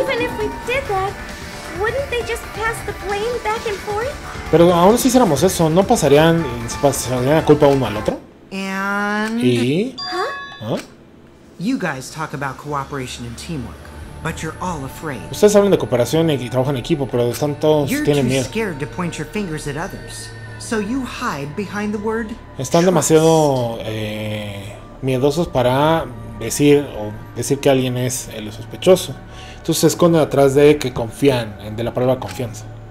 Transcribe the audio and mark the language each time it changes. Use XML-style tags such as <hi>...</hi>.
<en>Even if we did that, wouldn't they just pass the blame back and forth?</en> <es>Pero aún si hiciéramos eso, ¿no pasarían la culpa uno al otro?</es> <en>And...</en> <es>¿Y? ¿Huh?</es> <en>You guys talk about cooperation and teamwork, but you're all afraid.</en> <es>Ustedes hablan de cooperación y trabajan en equipo, pero están todos tienen miedo.</es> <en>You're scared to point your fingers at others, so you hide behind the word.</en> <es>Están demasiado miedosos para decir que alguien es el sospechoso. Entonces se esconden atrás de que confían, de la palabra confianza.</es>